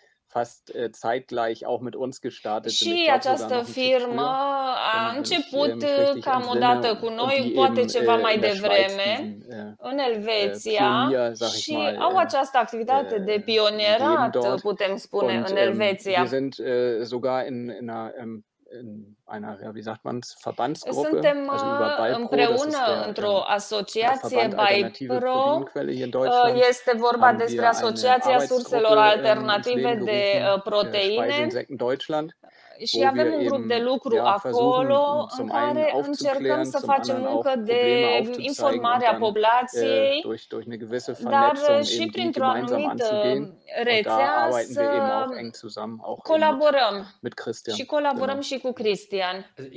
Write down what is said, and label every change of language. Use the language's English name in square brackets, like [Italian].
[German] fast zeitgleich auch mit uns gestartet. [Romanian] Și această firmă a început cam odată cu noi, poate ceva mai devreme, în Elveția și au această activitate de pionierat, putem spune, în Elveția. [German] Wir sind sogar in einer, wie sagt man's, Verbandsgruppe. [Romanian] Suntem împreună într-o asociație BIPRO. Este vorba despre Asociația Surselor Alternative de Proteine. Și avem un grup de lucru acolo în care încercăm să facem muncă de informare a populației, dar și printr-o anumită rețea să colaborăm și colaborăm și cu Cristian.